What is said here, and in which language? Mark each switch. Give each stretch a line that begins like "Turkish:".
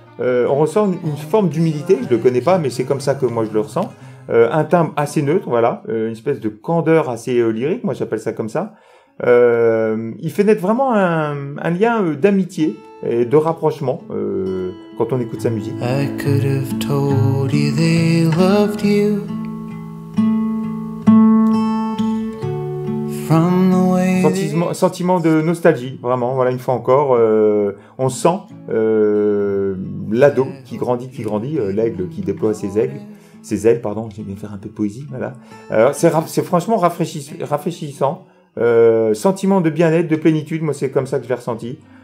French: On ressent une forme d'humilité, je ne le connais pas, mais c'est comme ça que moi je le ressens. Un timbre assez neutre, voilà. Une espèce de candeur assez lyrique, moi j'appelle ça comme ça. Il fait naître vraiment un lien d'amitié et de rapprochement quand on écoute sa musique.
English: I could have told you they loved you from the way they...
French: Sentiment de nostalgie, vraiment, voilà, une fois encore, on sent l'ado qui grandit, l'aigle qui déploie ses ailes, j'aime bien faire un peu de poésie, voilà. C'est franchement rafraîchissant. Sentiment de bien-être, de plénitude, moi c'est comme ça que je l'ai ressenti.